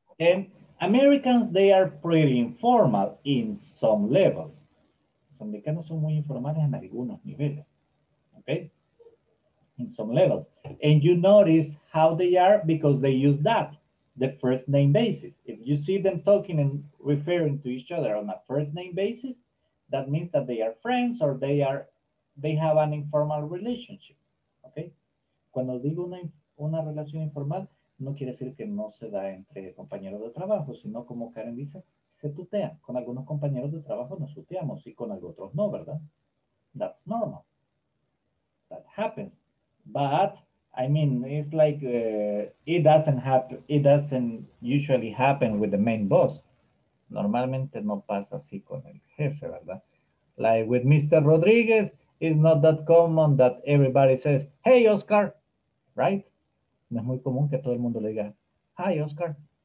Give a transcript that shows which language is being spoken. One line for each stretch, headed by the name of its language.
English: And Americans, they are pretty informal in some levels.
Spanish: Los americanos son muy informales en algunos niveles, ¿ok?
English: In some levels. And you notice how they are because they use that. The first name basis. If you see them talking and referring to each other on a first name basis, that means that they are friends or they have an informal relationship. Okay?
Spanish: Cuando digo una relación informal, no quiere decir que no se da entre compañeros de trabajo, sino como Karen dice, se tutea. Con algunos compañeros de trabajo nos tuteamos y con otros no, ¿verdad?
English: That's normal. that happens. But I mean, it's like it doesn't happen. It doesn't usually happen with the main boss.
Spanish: Normalmente no pasa así con el jefe, ¿verdad?
English: Like with Mr. Rodriguez, it's not that common that everybody says, "Hey, Oscar," right?
Spanish: No es muy común que todo el mundo le diga, "Hi, Oscar."